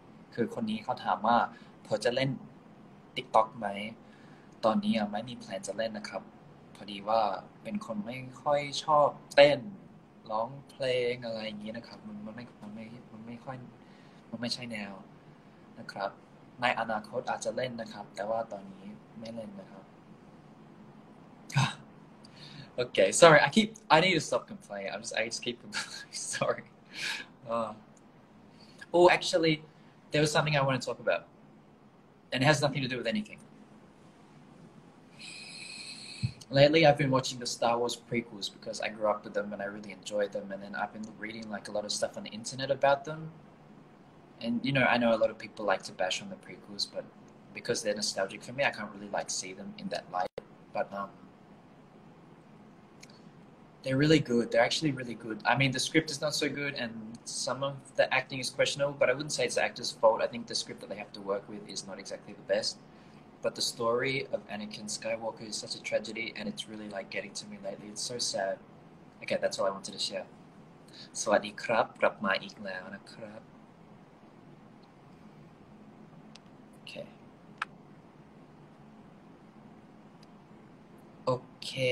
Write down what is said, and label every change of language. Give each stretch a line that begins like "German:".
Thai: คือคนนี้เขาถามว่าเธอจะเล่น TikTok ไหมตอนนี้ยังไม่มีแพลนจะเล่นนะครับพอดีว่าเป็นคนไม่ค่อยชอบเต้นร้องเพลงอะไรอย่างนี้นะครับมันไม่ค่อยมันไม่ใช่แนวนะครับ ในอนาคตอาจจะเล่นนะครับแต่ว่าตอนนี้ไม่เล่นนะครับโอเค
English: sorry I need to stop complaining I just keep complaining sorry oh actually there was something I want to talk about and it has nothing to do with anything lately I've been watching the Star Wars prequels because I grew up with them and I really enjoy them and then I've been reading like a lot of stuff on the internet about them and you know I know a lot of people like to bash on the prequels but because they're nostalgic for me I can't really like see them in that light but they're really good. They're actually really good. I mean, the script is not so good, and some of the acting is questionable, but I wouldn't say it's the actor's fault. I think the script that they have to work with is not exactly the best. But the story of Anakin Skywalker is such a tragedy, and it's really like getting to me lately. It's so sad. Okay, that's all I wanted to share.
Thai: สวัสดีครับ กลับมาอีกแล้วนะครับ Okay.